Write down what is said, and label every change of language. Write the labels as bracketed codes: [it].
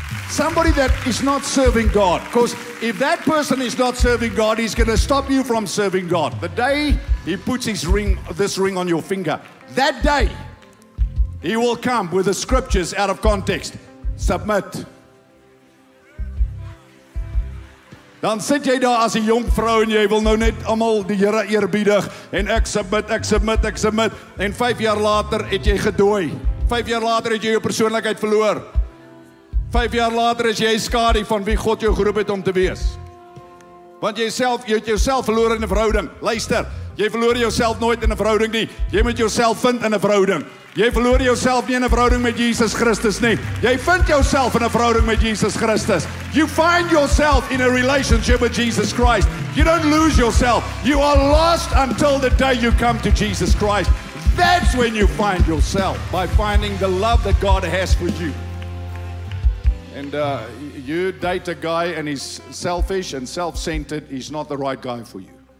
[en] somebody that is not serving God. Because if that person is not serving God, he's going to stop you from serving God. The day he puts his ring, this ring on your finger, that day he will come with the scriptures out of context. Submit. [af] Dan sit jy daar as 'n jong vrou en jy wil nou net almal die Here eerbiedig en ek submit en 5 jaar later het jy gedooi. 5 jaar later het jy jou persoonlikheid verloor. 5 jaar later is jy skadu van wie God jou geroep het om te wees. Want jouself, jy het jouself verloor in 'n verhouding. Luister, jy verloor jouself nooit in 'n verhouding nie. Jy moet jouself vind in 'n verhouding. Jy verloor jouself nie in 'n verhouding met Jesus Christus nie. Jy vind jouself in 'n verhouding met Jesus Christus. [en] You find yourself in a relationship with Jesus Christ. You don't lose yourself. You are lost until the day you come to Jesus Christ. That's when you find yourself, by finding the love that God has for you. And you date a guy and he's selfish and self-centered, he's not the right guy for you.